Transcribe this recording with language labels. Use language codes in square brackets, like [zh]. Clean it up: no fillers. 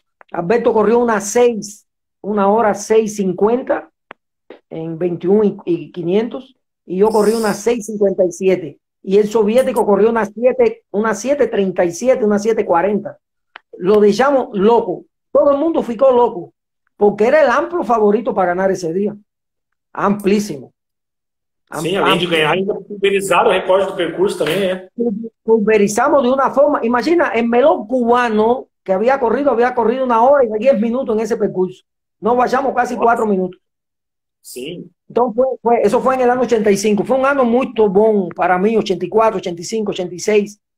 [es] Alberto corrió una hora 6:50 en 21 y 500, y yo corrí una 6:57. Y el soviético corrió una 7:37, una 7:40. Lo dejamos loco. Todo el mundo ficó loco, porque era el amplio favorito para ganar ese día. Amplísimo. [pt] Sim, além de ganhar, ainda pulverizar o recorde do percurso também, né? [es] Pulverizamos de una forma, imagina el melón cubano que había corrido 1 hora y 10 minutos en ese percurso. Nos bajamos casi 4 minutos. [pt] Sim. [es] Entonces, eso fue en el año 85. Fue un año muy bueno para mí, 84, 85, 86.